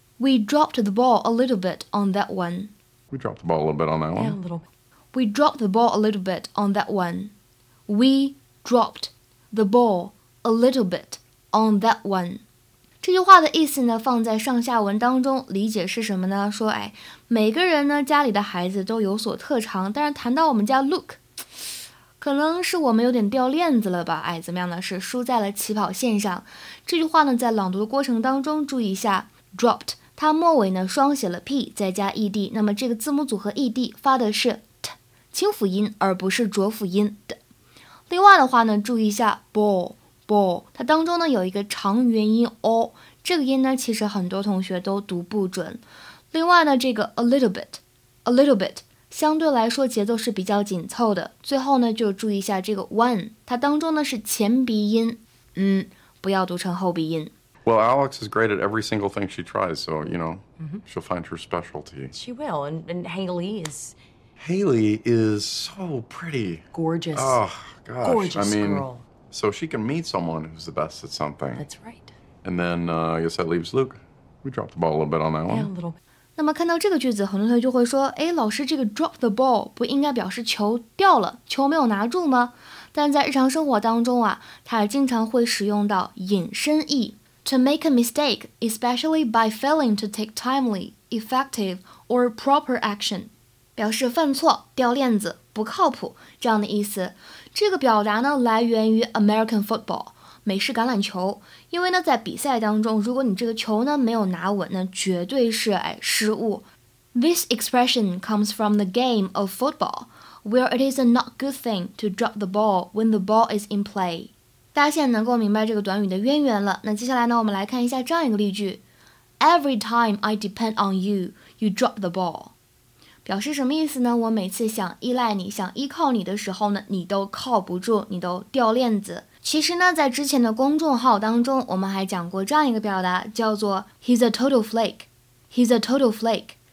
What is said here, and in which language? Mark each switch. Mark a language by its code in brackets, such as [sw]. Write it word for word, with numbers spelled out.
[en] We dropped the ball a little bit on that one. We dropped the ball a little bit on that one. Yeah, a little. We dropped the ball a little bit on that one. We dropped the ball a little bit on that one. [zh] 这句话的意思呢，放在上下文当中理解是什么呢？说，哎，每个人呢家里的孩子都有所特长，但是谈到我们家 Luke， 可能是我们有点掉链子了吧？哎，怎么样呢？是输在了起跑线上。这句话呢，在朗读的过程当中注意一下 dropped。它末尾呢双写了 p 再加 ed， 那么这个字母组合 ed 发的是 t 清辅音，而不是浊辅音的。另外的话呢，注意一下 ball ball， 它当中呢有一个长元音 o， 这个音呢其实很多同学都读不准。另外呢，这个 [en] a little bit a little bit [zh] 相对来说节奏是比较紧凑的。最后呢，就注意一下这个 one， 它当中呢是前鼻音，嗯，不要读成后鼻音。 [en] Well, Alex is great at every single thing she tries, so, you know, mm-hmm. she'll find her specialty. She will, and, and Haley is... Haley is so pretty. Gorgeous. Oh, gosh. Gorgeous I mean, girl. So she can meet someone who's the best at something. That's right. And then, uh, I guess that leaves Luke. We dropped the ball a little bit on that one. Yeah, a little bit. [zh] 那么看到这个句子，很多同学就会说，哎，老师，这个 [en] drop the ball [zh] 不应该表示球掉了，球没有拿住吗？但在日常生活当中啊，它经常会使用到引申义。 [en] To make a mistake, especially by failing to take timely, effective, or proper action. [zh] 表示犯错、掉链子、不靠谱这样的意思。这个表达呢来源于 [en] American football, [zh] 美式橄榄球。因为呢在比赛当中，如果你这个球呢没有拿稳呢，绝对是哎失误。 [en] This expression comes from the game of football, where it is a not good thing to drop the ball when the ball is in play. [zh] 大家现在能够明白这个短语的渊源了。那接下来呢，我们来看一下这样一个例句 ： [en] Every time I depend on you, you drop the ball。 [zh] 表示什么意思呢？我每次想依赖你、想依靠你的时候呢，你都靠不住，你都掉链子。其实呢，在之前的公众号当中，我们还讲过这样一个表达，叫做 [en] "He's a total flake." [zh] He's a total flake。